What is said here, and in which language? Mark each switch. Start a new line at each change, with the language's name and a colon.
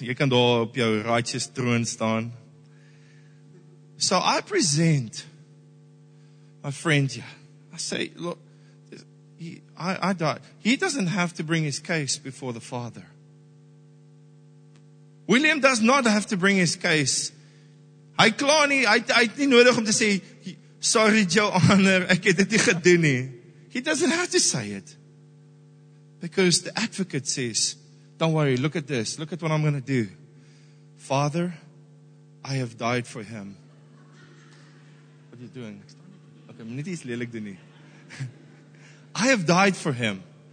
Afrikaans: Jy kan daar op jou righteous troon staan.
English: So I present my friend here. I say, look, he doesn't have to bring his case before the Father. William does not have to bring his case.
Afrikaans: Hy klaar nie, hy het nie nodig om te sê, sorry, Joe Honor, ek het dit nie gedoen nie.
English: He doesn't have to say it. Because the advocate says, don't worry, look at this. Look at what I'm going to do. Father, I have died for him. What are you doing?
Afrikaans: Okay, nie iets lelik doen nie.
English: I have died for him.